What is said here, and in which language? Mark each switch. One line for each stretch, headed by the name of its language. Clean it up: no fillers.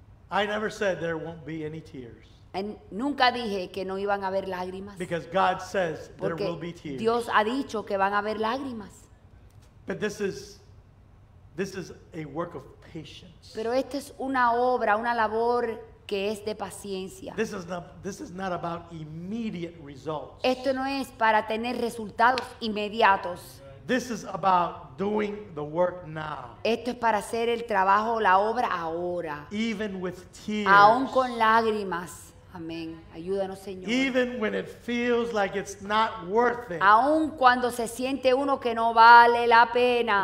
English: I never said there won't be any tears.
Spanish: And nunca dije que no iban a haber lágrimas.
English: Because God says there
Spanish: porque
English: will be tears.
Spanish: Dios ha dicho que van a haber lágrimas.
English: But this is a work of patience.
Spanish: Pero esta es una obra, una labor que es de paciencia.
English: This is not about immediate results.
Spanish: Esto no es para tener resultados inmediatos.
English: This is about doing the work now.
Spanish: Esto es para hacer el trabajo, la obra ahora.
English: Even with tears.
Spanish: Aún con lágrimas. Amén. Ayúdanos, Señor.
English: Even when it feels like it's not worth it.
Spanish: Aún cuando se siente uno que no vale la pena.